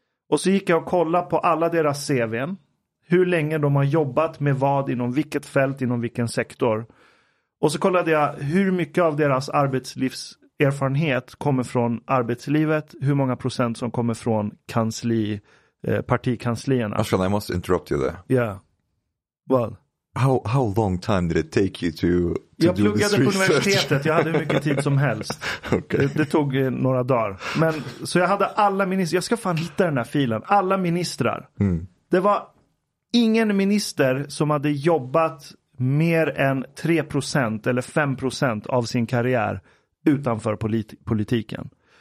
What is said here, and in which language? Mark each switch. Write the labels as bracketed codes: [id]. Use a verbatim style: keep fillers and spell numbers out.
[sv] Och så gick jag och kollade på alla deras C V:n. Hur länge de har jobbat med vad, inom vilket fält, inom vilken sektor. Och så kollade jag hur mycket av deras arbetslivserfarenhet kommer från arbetslivet. Hur många procent som kommer från kansli, eh, partikanslierna. [en] Ashkan, I must interrupt you there. Yeah. Well. How, how long time did it take you to, to [sv] Jag [en] do this [sv] pluggade på universitetet, jag hade hur mycket tid som helst. [en] Okay. [sv] det, det tog några dagar. Men, så jag hade alla ministrar, jag ska fan hitta den här filen, alla ministrar. Mm. Det var ingen minister som hade jobbat mer än tre procent eller fem procent av sin karriär utanför polit- politiken.